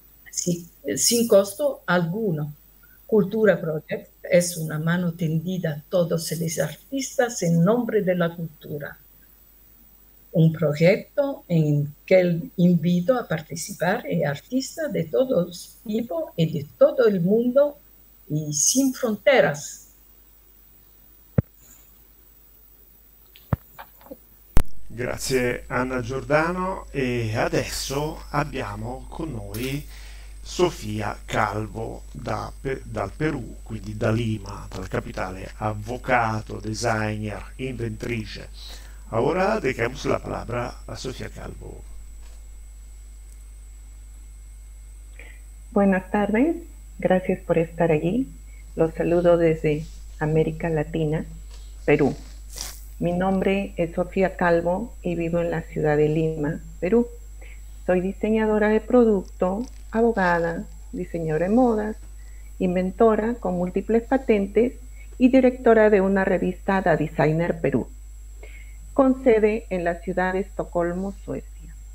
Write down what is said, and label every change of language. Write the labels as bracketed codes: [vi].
[es] Sin costo alguno. Cultura Project es una mano tendida a todos los artistas en nombre de la cultura. Un proyecto en que invito a participar a artistas de todo tipo y de todo el mundo y sin fronteras. [it] Grazie Anna Giordano, e adesso abbiamo con noi Sofia Calvo dal Perù, quindi da Lima, dalla capitale, avvocato, designer, inventrice. Ora dediamo la parola a Sofia Calvo. [es] Buenas tardes, gracias por estar aquí. Los saludo desde América Latina, Perú. Mi nombre es Sofía Calvo y vivo en la ciudad de Lima, Perú. Soy diseñadora de producto, abogada, diseñadora de modas, inventora con múltiples patentes y directora de una revista The Designer Perú, con sede en la ciudad de Estocolmo, Suecia.